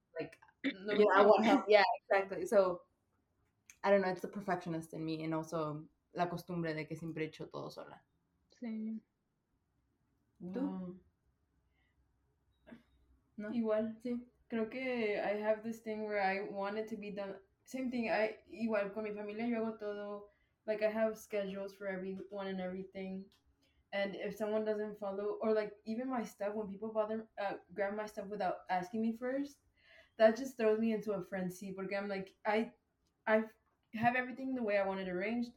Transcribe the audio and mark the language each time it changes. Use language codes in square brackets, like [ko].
[en] Like, you know, I want help. Yeah, exactly. So I don't know. It's the perfectionist in me. And also [es] la costumbre de que siempre he hecho todo sola. Sí. [en] Wow. [es] No. Igual, sí. Creo que [en] I have this thing where I want it to be done. Same thing, [es] igual con mi familia yo hago todo. [en] Like, I have schedules for everyone and everything. And if someone doesn't follow, or like, even my stuff, when people grab my stuff without asking me first, that just throws me into a frenzy. [es] Porque [en] I'm like, I have everything the way I want it arranged.